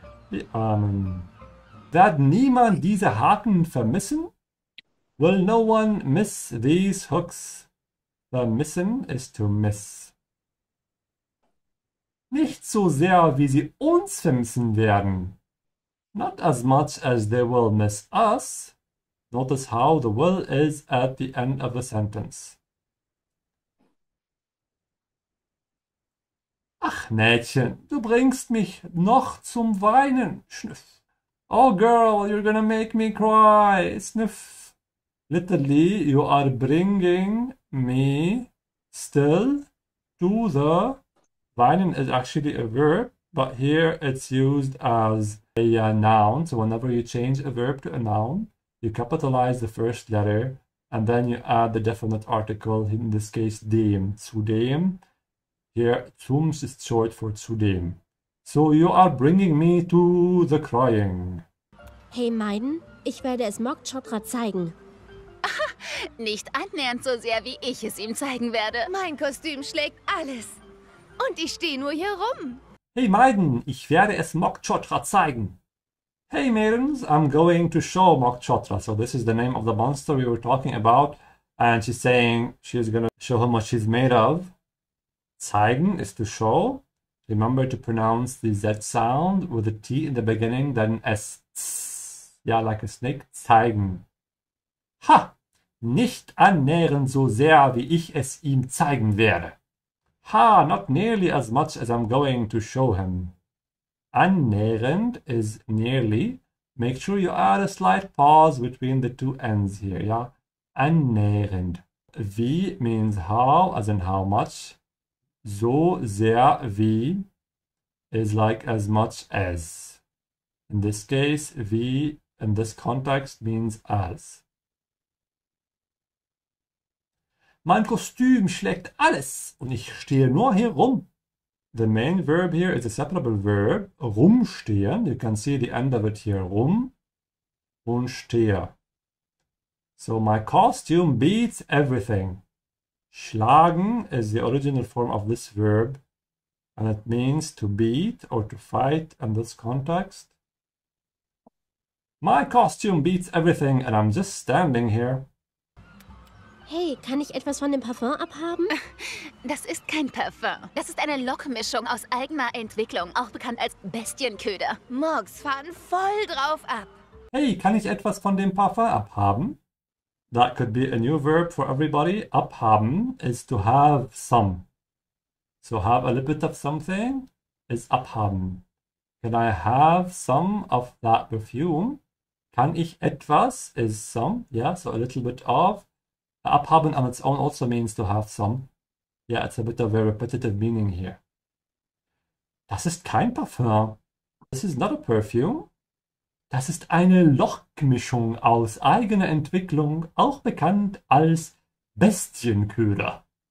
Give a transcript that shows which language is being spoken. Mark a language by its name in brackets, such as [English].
[German] Die Armen. Wird niemand diese Haken vermissen? [English] Will no one miss these hooks? The missen is to miss. [German] Nicht so sehr, wie sie uns vermissen werden. [English] Not as much as they will miss us. Notice how the will is at the end of the sentence. [German] Ach, Mädchen, du bringst mich noch zum Weinen, schnüff. [English] Oh, girl, you're gonna make me cry, sniff. Literally, you are bringing me still to the... Weinen is actually a verb, but here it's used as a noun. So whenever you change a verb to a noun, you capitalize the first letter, and then you add the definite article, in this case, dem, zu dem. Here, zum is short for zudem. So you are bringing me to the crying. [German] Hey, Maiden, ich werde es Mock Chopra zeigen. Nicht annähernd so sehr, wie ich es ihm zeigen werde. Mein Kostüm schlägt alles. Und ich stehe nur hier rum. Hey, Maiden, ich werde es Mock Chopra zeigen. [English] Hey, Maidens, I'm going to show Mock Chopra. So this is the name of the monster we were talking about. And she's saying she's going to show him what she's made of. Zeigen is to show. Remember to pronounce the Z sound with a T in the beginning, then S. Yeah, like a snake. Zeigen. Ha! [German] Nicht annähernd so sehr, wie ich es ihm zeigen werde. Ha! [English] Not nearly as much as I'm going to show him. Annähernd is nearly. Make sure you add a slight pause between the two ends here, yeah? Annähernd. Wie means how, as in how much. So sehr wie is like as much as. In this case, wie in this context means as. [German] Mein Kostüm schlägt alles und ich stehe nur hier rum. [English] The main verb here is a separable verb, rumstehen. You can see the end of it here, rum und stehe. So my costume beats everything. Schlagen is the original form of this verb, and it means to beat or to fight in this context. My costume beats everything, and I'm just standing here. [German] Hey, kann ich etwas von dem Parfum abhaben? Das ist kein Parfum. Das ist eine Lockmischung aus eigener Entwicklung, auch bekannt als Bestienköder. Morgs fahren voll drauf ab. Hey, kann ich etwas von dem Parfum abhaben? [English] That could be a new verb for everybody. Abhaben is to have some. So have a little bit of something is abhaben. Can I have some of that perfume? [German] Kann ich etwas [English] is some. Yeah, so a little bit of. Abhaben on its own also means to have some. Yeah, it's a bit of a repetitive meaning here. [German] Das ist kein Parfum. [English] This is not a perfume. [German] Das ist eine Lochmischung aus eigener Entwicklung, auch bekannt als Bestienköder.